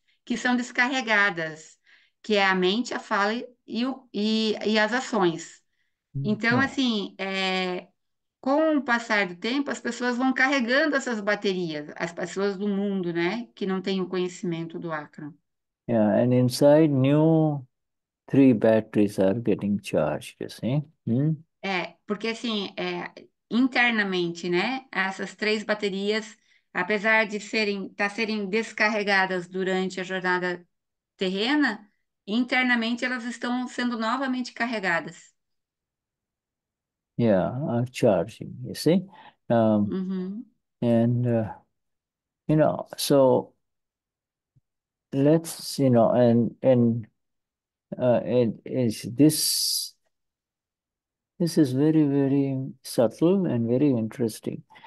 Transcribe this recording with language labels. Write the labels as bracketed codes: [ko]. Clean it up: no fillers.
[pt] Que são descarregadas, que é a mente, a fala e as ações. Então, assim, com o passar do tempo, as pessoas vão carregando essas baterias, as pessoas do mundo, né, que não têm o conhecimento do Akram. [en] Yeah, and inside new three batteries are getting charged, you see? [pt] É, porque assim, é, internamente, né, essas três baterias, apesar de serem, tá serem descarregadas durante a jornada terrena, internamente elas estão sendo novamente carregadas. [en] Yeah, are charging, you see? You know, so let's, you know, this is very, very subtle and very interesting.